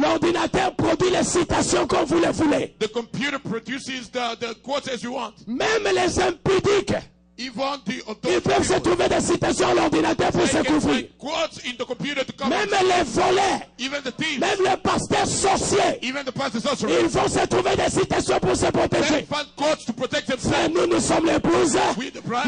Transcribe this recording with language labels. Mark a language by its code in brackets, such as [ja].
[fr] L'ordinateur produit les citations comme vous le voulez. [en] The computer produces the quotes as you want. [fr] Même les impudiques. [en] Even the adultery. [fr] Ils peuvent se trouver des citations à l'ordinateur pour se couvrir. [en] Quotes in the computer to cover. [fr] Même les voleurs. [en] Even the thieves. [fr] Même les pasteurs sorciers. [en] Even the pastor sorcerer. [fr] Ils vont se trouver des citations pour se protéger. [en] They find quotes to protect themselves. [fr] Frère, nous sommes l'épouse. [en] We the bride.